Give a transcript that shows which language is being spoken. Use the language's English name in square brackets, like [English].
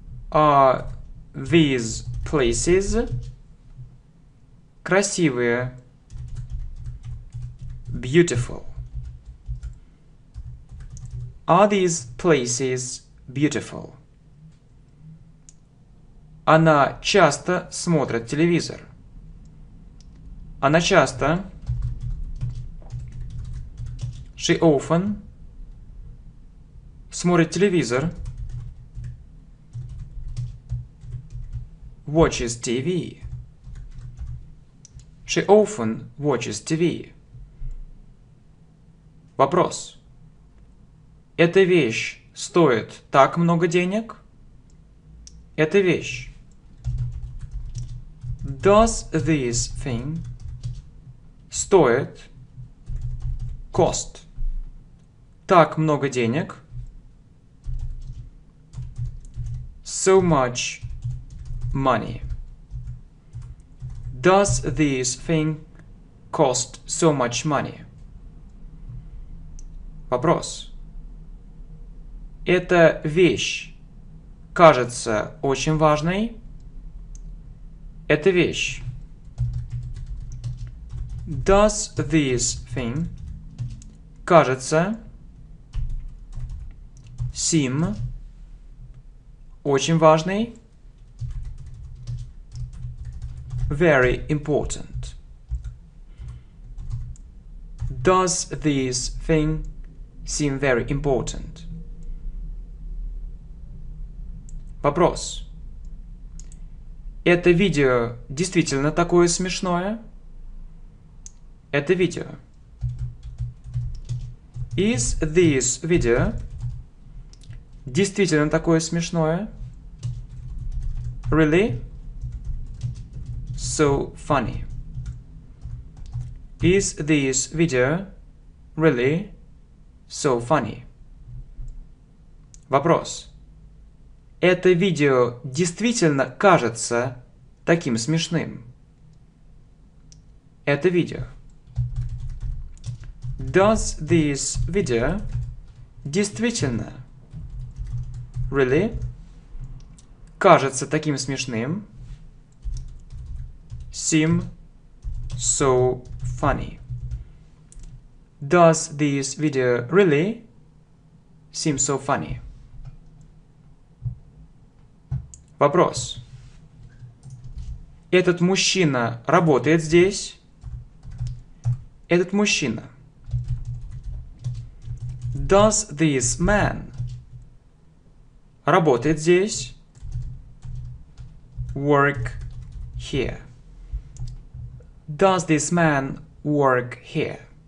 [English] Are these places [Russian] красивые? [English] Beautiful. Are these places beautiful? [Russian] Она часто смотрит телевизор. Она часто. [English] She often [Russian] смотрит телевизор. [English] Watches TV. She often watches TV. [Russian] Вопрос. Эта вещь стоит так много денег? Эта вещь. [English] Does this thing [Russian] стоит [English] cost [Russian] так много денег? [English] So much money. Does this thing cost so much money? [Russian] Вопрос. Эта вещь кажется очень важной. Эта вещь. [English] Does this thing [Russian] кажется [English] seem [Russian] очень важной? [English] Very important. Does this thing seem very important? [Russian] Вопрос. Это видео действительно такое смешное? Это видео. [English] Is this video [Russian] действительно такое смешное? [English] Really? So funny. Is this video really so funny? [Russian] Вопрос. Это видео действительно кажется таким смешным? Это видео. [English] Does this video [Russian] действительно [English] really [Russian] кажется таким смешным? [English] Seem so funny. Does this video really seem so funny? [Russian] Вопрос. Этот мужчина работает здесь? Этот мужчина. [English] Does this man [Russian] работает здесь? [English] Work here. Does this man work here?